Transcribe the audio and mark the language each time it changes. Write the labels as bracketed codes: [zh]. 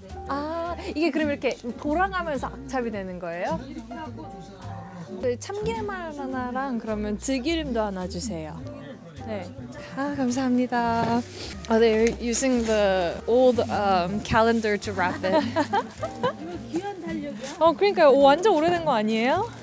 [ko] Ah, 이게 그럼 이렇게 돌아가면서 악잡이 되는 거예요? 참기름 하나랑 그러면 들기름도 하나 주세요. 네. 아, 감사합니다. [en] Oh, they're using the old calendar to wrap it. [ko] 어, 그러니까 완전 오래된 거 아니에요?